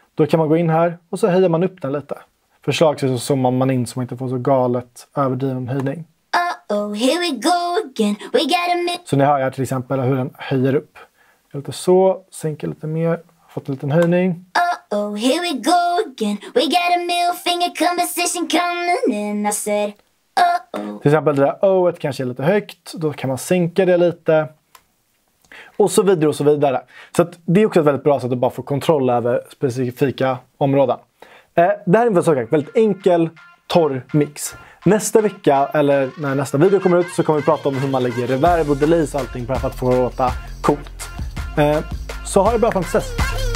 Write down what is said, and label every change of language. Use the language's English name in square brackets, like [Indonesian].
[Swedish] Då kan man gå in här och så höjer man upp den lite. Förslagsvis så zoomar man in så man inte får så galet överdriven höjning. [English] Uh-oh, here we go again. We got a myth. [Swedish] Så ni hör här till exempel hur den höjer upp. Lite så, sänker lite mer, fått en liten höjning. [English] Uh-oh, here we go again. We got a middle finger conversation coming in. I said, uh-oh. [Swedish] Till exempel det där O-et kanske är lite högt. Då kan man sänka det lite. Och så vidare och så vidare. Så att det är också ett väldigt bra sätt att bara få kontroll över specifika områden. Det här är en väldigt enkel, torr mix. Nästa vecka, eller när nästa video kommer ut, så kommer vi prata om hur man lägger reverb och delays och allting för att få låta coolt. Så ha det bra fram till dess.